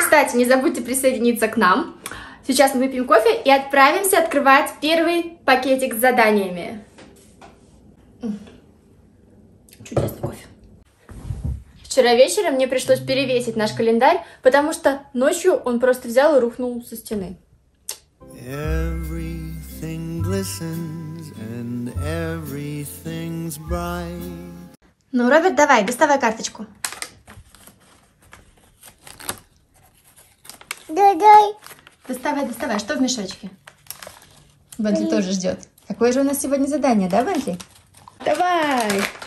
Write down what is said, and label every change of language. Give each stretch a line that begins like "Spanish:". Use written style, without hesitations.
Russian: Кстати, не забудьте присоединиться к нам. Сейчас мы выпьем кофе и отправимся открывать первый пакетик с заданиями. Чудесный кофе. Вчера вечером мне пришлось перевесить наш календарь, потому что ночью он просто взял и рухнул со стены.
English: Everything glistens and everything's bright.
Russian: Ну, Роберт, давай, доставай карточку. Дай. Доставай, что в мешочке? Бентли тоже ждет. Какое же у нас сегодня задание, да, Бентли? Давай!